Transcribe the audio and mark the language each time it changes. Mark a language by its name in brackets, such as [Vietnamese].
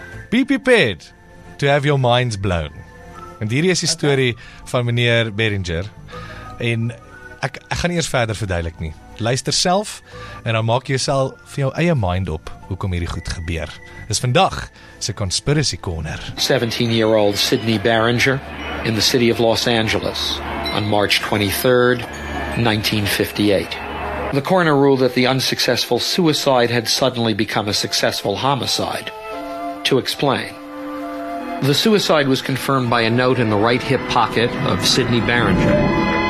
[English] Be prepared to have your minds blown. [Afrikaans] En hierdie is die story van meneer Beringer. En ek gaan eers verder verduidelik nie. Luister self en dan maak jy self vir jou eie mind op hoekom hierdie goed gebeur. Dis vandag se conspiracy corner. [English] 17-year-old Sydney Beringer in the city of Los Angeles on March 23rd 1958. The coroner ruled that the unsuccessful suicide had suddenly become a successful homicide. To explain, the suicide was confirmed by a note in the right hip pocket of Sydney Beringer.